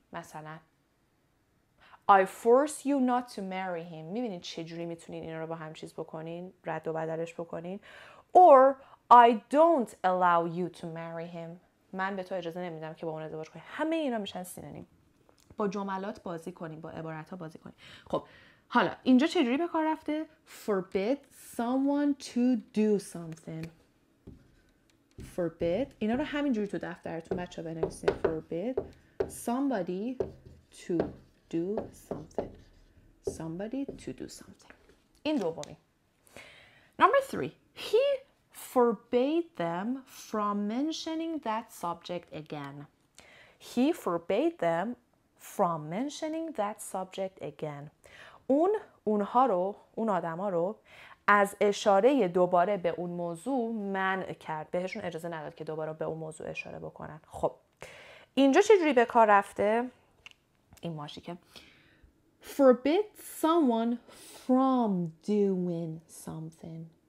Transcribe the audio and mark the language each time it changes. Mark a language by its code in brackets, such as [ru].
[en] مثلا I force you not to marry him. [fa] میبینید چجوری میتونین این رو با هم چیز بکنین، رد و بدلش بکنین. [en] Or I don't allow you to marry him. [fa] من به تو اجازه نمیدم که با اون ازدواج کنی. همه اینا میشن سینونیم. با جملات بازی کنیم، با عبارت ها بازی کنیم. خب حالا اینجا چجوری به کار رفته؟ [en] forbid someone to do something. [fa] forbid اینا رو همینجوری تو دفترتون بچه ها بنویسید. [en] forbid somebody to do something. somebody to do something. [fa] این دومی. [en] number three. he forbade them from mentioning that subject again. he forbade them from mentioning that subject again. [fa] اون آدما رو از اشاره دوباره به اون موضوع منع کرد. بهشون اجازه نداد که دوباره به اون موضوع اشاره بکنن. خب اینجا چجوری به کار رفته؟ این ماشی که [en] forbid someone from doing something.